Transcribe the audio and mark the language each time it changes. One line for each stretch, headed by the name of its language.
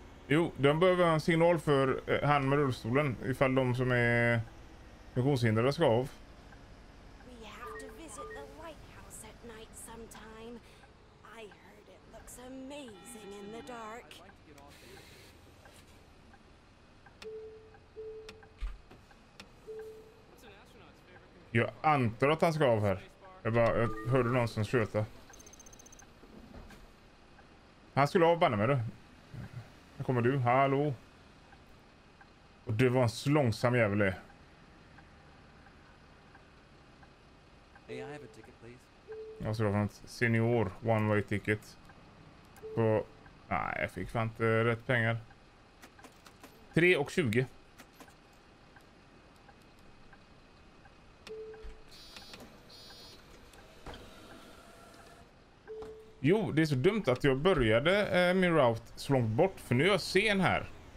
Swedish: Jo, de behöver en signal för han med rullstolen, ifall de som är funktionshindrade ska av.
English: We have to visit the lighthouse at night sometime. I heard it looks amazing in the dark.
Swedish: Jag antar att han ska av här. Jag hörde någon som sköta. Han skulle avbanna med det. Här kommer du, hallå. Och du var en så långsam jävel.
English: Hey, I have a ticket, please.
Swedish: Jag ska ha en
English: senior one way ticket.
Swedish: På... Nej, jag fick fan inte rätt pengar. 3 och 20. Jo, det är så dumt att jag började min route så långt bort, för nu är jag sen här.